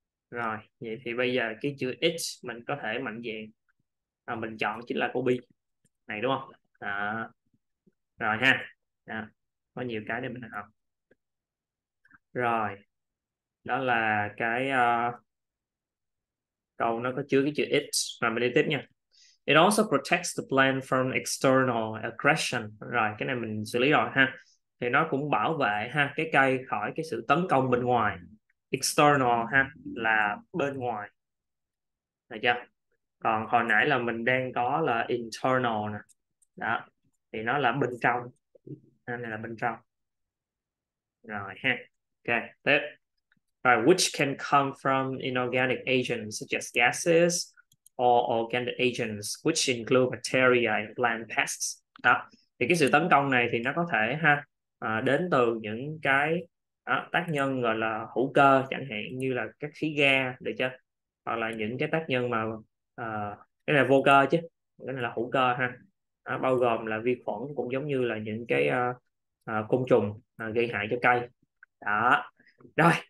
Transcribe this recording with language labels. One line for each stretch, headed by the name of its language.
Vietnamese: Rồi, vậy thì bây giờ cái chữ H mình có thể mạnh dạn mình chọn chính là câu B này đúng không? Đó. Rồi ha. Đó. Có nhiều cái để mình học. Rồi. Đó là cái câu nó có chứa cái chữ it. Rồi mình đi tiếp nha.
English: It also protects the plant from external aggression.
Vietnamese: Rồi cái này mình xử lý rồi ha. Thì nó cũng bảo vệ ha cái cây khỏi cái sự tấn công bên ngoài. External ha là bên ngoài. Được chưa? Còn hồi nãy là mình đang có là internal nè. Đó. Thì nó là bên trong. Nên là bên trong. Rồi ha. Ok, tiếp.
English: Right, which can come from inorganic agents such as gases or organic agents which include bacteria and plant pests.
Vietnamese: Đó. Thì cái sự tấn công này thì nó có thể ha đến từ những cái tác nhân gọi là hữu cơ chẳng hạn như là các khí ga được chưa? Hoặc là những cái tác nhân mà cái này vô cơ chứ, cái này là hữu cơ ha. Bao gồm là vi khuẩn cũng giống như là những cái côn trùng gây hại cho cây. Đó. Rồi.